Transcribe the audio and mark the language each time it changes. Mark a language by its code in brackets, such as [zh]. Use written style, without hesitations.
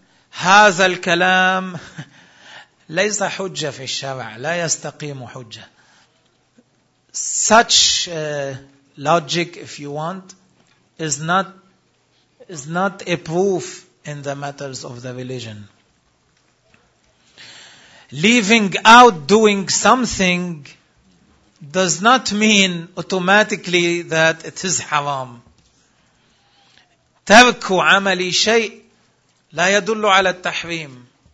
[ar] هذا الكلام ليس حجة في الشرع, لا يستقيم حجة. [en] Such logic, if you want, is not a proof in the matters of the religion. Leaving out doing something does not mean automatically that it is haram. [ar] ترك عمل شيء لا يدل على التحريم.